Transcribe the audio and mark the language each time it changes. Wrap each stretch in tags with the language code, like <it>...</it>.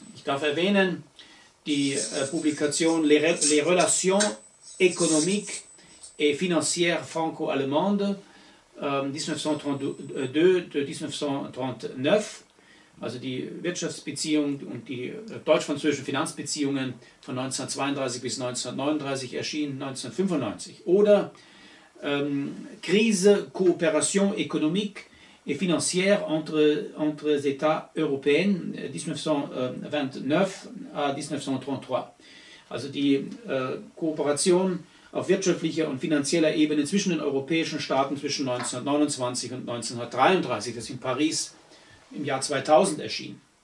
<de>Ich darf erwähnen die Publikation</de> <fr>Les Relations économiques et financières franco-allemandes, 1932-1939,</fr> <de>also die Wirtschaftsbeziehungen und die deutsch-französischen Finanzbeziehungen von 1932 bis 1939 erschienen 1995. Oder Krise,</de> <fr>Coopération économique et financière entre les États européens 1929-1933.</fr> <de>Also die Kooperation auf wirtschaftlicher und finanzieller Ebene zwischen den europäischen Staaten zwischen 1929 und 1933, das in Paris im Jahr 2000 erschien.</de>